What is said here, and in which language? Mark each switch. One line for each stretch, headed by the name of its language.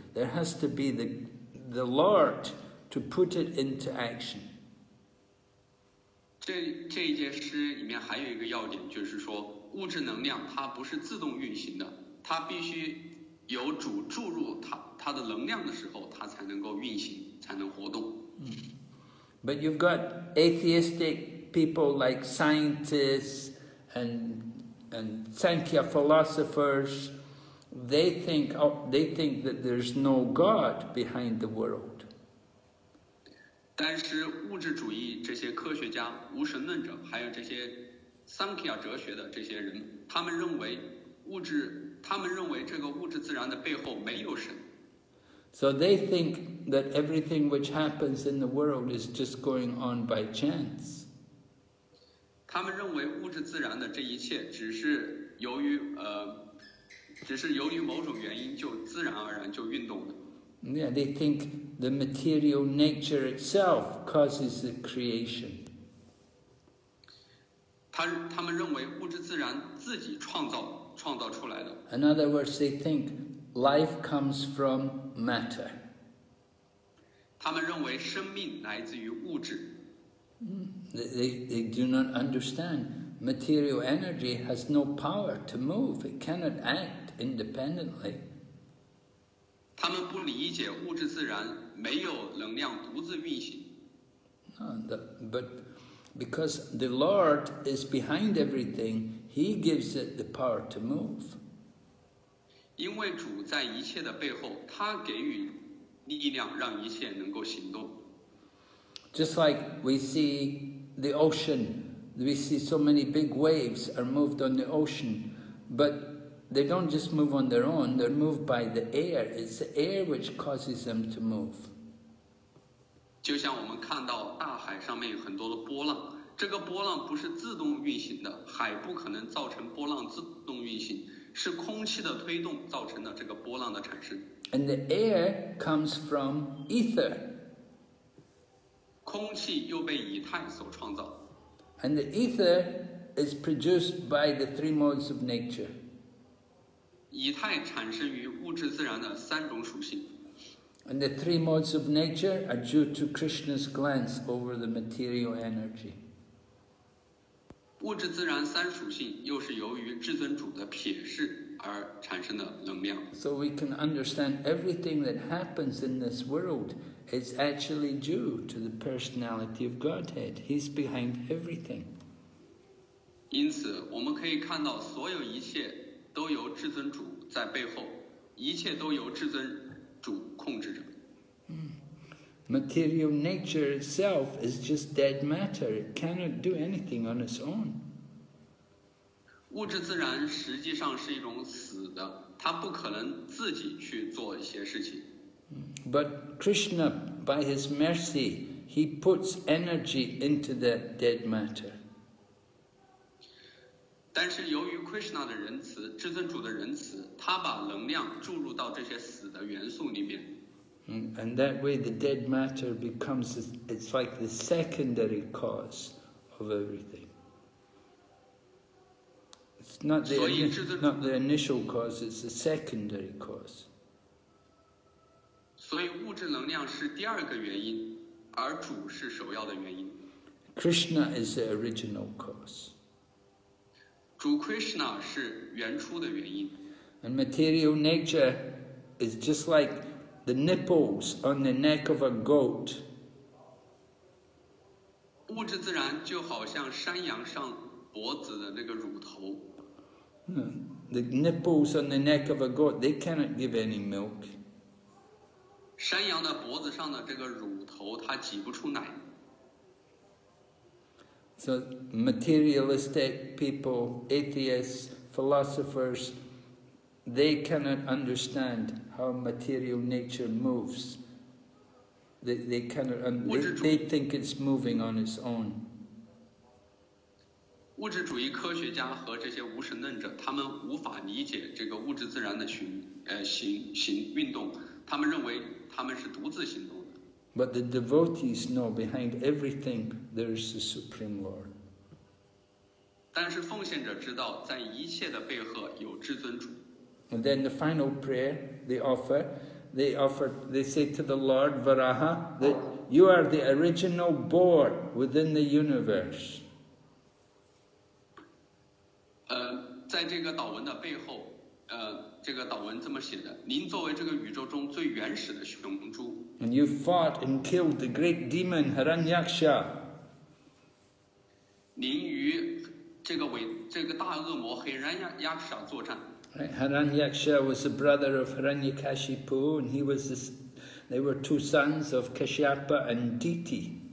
English: There has to be the Lord to put it into action.
Chinese: 这一节诗里面还有一个要点，就是说。物质能量它不是自动运行的，它必须有主注入它的能量的时候，它才能够运行，才能活动。
English: But you've got atheistic people like scientists and Sankhya philosophers. They think that there's no God behind the world.
Chinese: 但是物质主义这些科学家、无神论者，还有这些Samkhya哲学的这些人，他们认为物质，他们认为这个物质自然的背后没有神。
English: So they think that everything which happens in the world is just going on by chance.
Chinese: 他们认为物质自然的这一切只是由于只是由于某种原因就自然而然就运动的。
English: Yeah, they think the material nature itself causes the creation.
Chinese: 他们认为物质自然自己创造出来的。
English: In other words, they think life comes from matter.
Chinese: 他们认为生命来自于物质。
English: They do not understand material energy has no power to move. It cannot act independently.
Chinese: 他们不理解物质自然没有能量独自运行。
English: But because the Lord is behind everything, He gives it the power to move.
Chinese: 因为主在一切的背后，他给予力量让一切能够行动。
English: Just like we see the ocean, we see so many big waves are moved on the ocean, but they don't just move on their own, they're moved by the air. It's the air which causes them to move.
Chinese: 就像我们看到大海上面有很多的波浪，这个波浪不是自动运行的，海不可能造成波浪自动运行，是空气的推动造成了这个波浪的产生。
English: And the air comes from ether.
Chinese: 空气又被以太所创造。
English: And the ether is produced by the three modes of nature.
Chinese: 以太产生于物质自然的三种属性。
English: And the three modes of nature are due to Krishna's glance over the material energy.
Chinese: 物质自然三属性又是由于至尊主的瞥视而产生的能量。
English: So we can understand everything that happens in this world is actually due to the personality of Godhead. He's behind everything.
Chinese: 因此我们可以看到所有一切都由至尊主在背后，一切都由至尊主控制着。
English: Material nature itself is just dead matter. It cannot do anything on its own.
Chinese: 物质自然实际上是一种死的，它不可能自己去做一些事情。
English: But Krishna, by his mercy, he puts energy into the dead matter.
Chinese: 但是由于 Krishna 的仁慈，至尊主的仁慈，他把能量注入到这些死的元素里面。
English: And that way the dead matter becomes, it's like the secondary cause of everything. It's not the, not the initial cause, it's the secondary cause.
Chinese: 所以物质能量是第二个原因，而主是首要的原因。
English: Krishna is the original cause.
Chinese: 主 Krishna 是原初的原因。
English: And material nature is just like the nipples on the neck of a goat.
Chinese: 物质自然就好像山羊上脖子的那个乳头。
English: The nipples on the neck of a goat, they cannot give any milk.
Chinese: 山羊的脖子上的这个乳头，它挤不出奶。
English: So materialistic people, atheists, philosophers, they cannot understand how material nature moves. They cannot, they think it's moving on its own.
Chinese: 物质主义科学家和这些无神论者，他们无法理解这个物质自然的行运动，他们认为他们是独自行动的。
English: But the devotees know behind everything there is the Supreme Lord.
Chinese: 但是奉献者知道在一切的背后有至尊主。
English: And then the final prayer they say to the Lord Varaha that you are the original board within the universe.
Chinese: 在这个祷文的背后，这个祷文这么写的：您作为这个宇宙中最原始的雄猪。
English: And you fought and killed the great demon Hiranyaksha.
Chinese: 您与这个大恶魔Hiranyaksha作战。
English: Hiranyaksha was the brother of Hiranyakashipu, and he was They were two sons of Kashyapa and Diti.